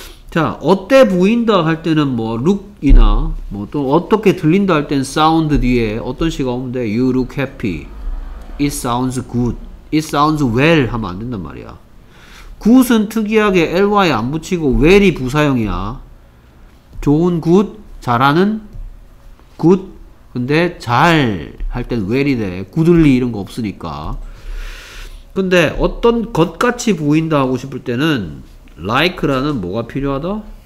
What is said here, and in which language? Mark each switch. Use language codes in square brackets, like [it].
[ko] 자, 어때 보인다 할 때는 뭐 look이나 뭐 또 어떻게 들린다 할 때는 sound 뒤에 어떤 시가 오면 돼? [en] you look happy, it sounds good, it sounds well [ko] 하면 안 된단 말이야. good은 특이하게 ly 안 붙이고 well이 부사형이야. 좋은 good, 잘하는 good. 근데 잘 할 땐 well이 돼. goodly 이런 거 없으니까. 근데 어떤 것같이 보인다 하고 싶을 때는 like라는 뭐가 필요하다?